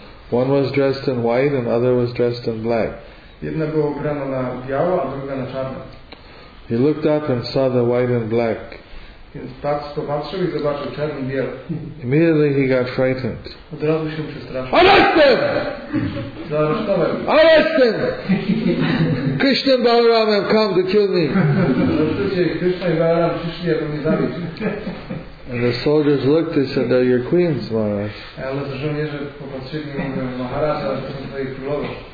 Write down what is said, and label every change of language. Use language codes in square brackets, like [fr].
[en] One was dressed in white and the other was dressed in black. [pl] Jedna była ubrana na biało, a druga na czarno. [en] He looked up and saw the white and black. [pl] Więc patrzył, patrzył i zobaczył czarny i biały. [en] Immediately he got frightened. [pl] Od razu się przestraszył. [en] Arrest him! [pl] Zaaresztował. [en] Arrest him! Krishna and Balaram have come to kill me. [pl] Zobaczcie, Krishna i Balaram przyszli, aby mnie zabić. [en] And the soldiers looked and said, they're your queens, Maharaj. [pl] Ale to żołnierze popatrzyli i mówią, Maharaj, ale to są twoje królowe.